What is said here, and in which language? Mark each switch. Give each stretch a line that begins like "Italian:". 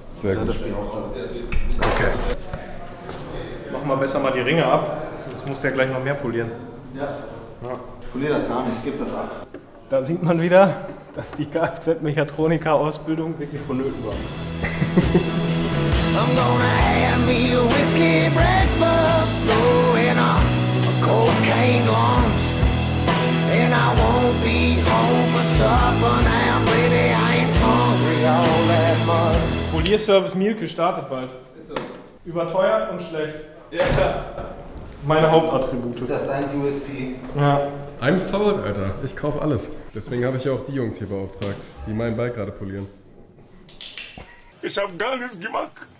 German: Sehr gut.
English: Okay.
German: Machen wir besser mal die Ringe ab. Das muss der gleich noch mehr polieren. Ja. Polier das gar nicht, gib das ab. Da sieht man wieder, dass die Kfz-Mechatroniker-Ausbildung wirklich vonnöten war.
English: I'm gonna have me a whiskey breakfast, throwing up a cocaine lunch. And I won't be home for supper now, baby, I ain't hungry all that much.
German: Polierservice Mielke gestartet bald. Ist so. Überteuert und schlecht. Ja. Meine Hauptattribute. Ist das dein USP? Ja.
English: I'm sold,
German: Alter. Ich kaufe alles. Deswegen habe ich ja auch die Jungs hier beauftragt, die meinen Ball gerade polieren. Ich habe gar nichts gemacht.